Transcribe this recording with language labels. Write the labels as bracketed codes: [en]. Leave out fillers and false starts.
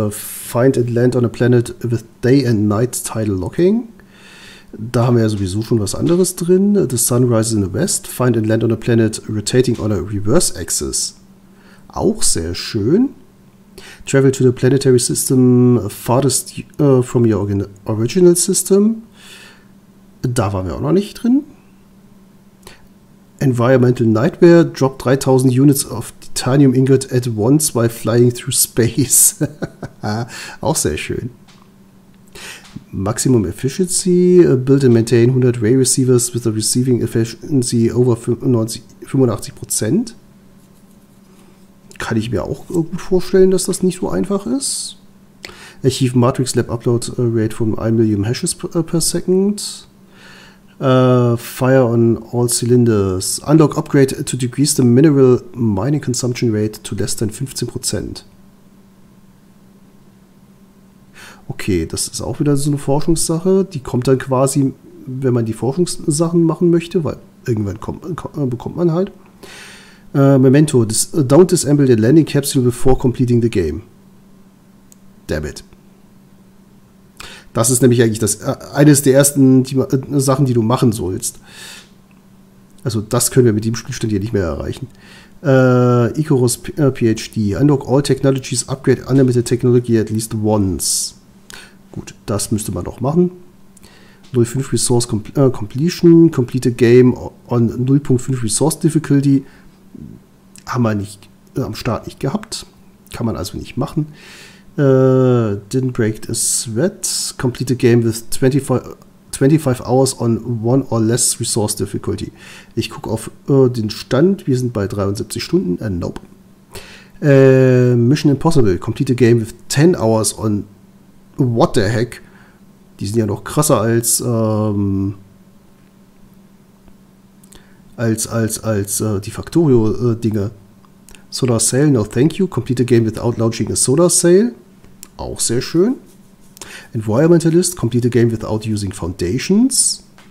[en] Find and land on a planet with day and night tidal locking. [de] Da haben wir ja sowieso schon was anderes drin. [en] The sun rises in the west. Find and land on a planet rotating on a reverse axis. [de] Auch sehr schön. [en] Travel to the planetary system farthest from your original system. [de] Da waren wir auch noch nicht drin. [en] Environmental Nightmare, drop 3000 units of Titanium Ingot at once while flying through space. [de] Auch sehr schön. [en] Maximum Efficiency, build and maintain 100 Ray Receivers with a Receiving Efficiency over 85%. [de] Kann ich mir auch gut vorstellen, dass das nicht so einfach ist. [en] Achieve Matrix Lab Upload Rate von 1 Million Hashes per Second. Fire on all cylinders. Unlock upgrade to decrease the mineral mining consumption rate to less than 15%. [de] Okay, das ist auch wieder so eine Forschungssache. Die kommt dann quasi, wenn man die Forschungssachen machen möchte, weil irgendwann bekommt man halt. [en] Memento, don't disable the landing capsule before completing the game. Damn it. [de] Das ist nämlich eigentlich eines der ersten Sachen, die du machen sollst. Also das können wir mit dem Spielstand hier nicht mehr erreichen. [en] Icarus PhD. Unlock all technologies, upgrade unlimited technology at least once. [de] Gut, das müsste man noch machen. [en] 0.5 Resource Completion. Complete a game on 0.5 Resource Difficulty. [de] Haben wir nicht am Start nicht gehabt. Kann man also nicht machen. [en] Didn't break a sweat. Complete a game with 25 hours on one or less resource difficulty. [de] Ich gucke auf den Stand. Wir sind bei 73 Stunden. [en] Nope. Mission Impossible. Complete a game with 10 hours on what the heck. [de] Die sind ja noch krasser als die Factorio-Dinge. [en] Solar Sale. No thank you. Complete a game without launching a solar sale. [de] Auch sehr schön. [en] Environmentalist, complete a game without using foundations.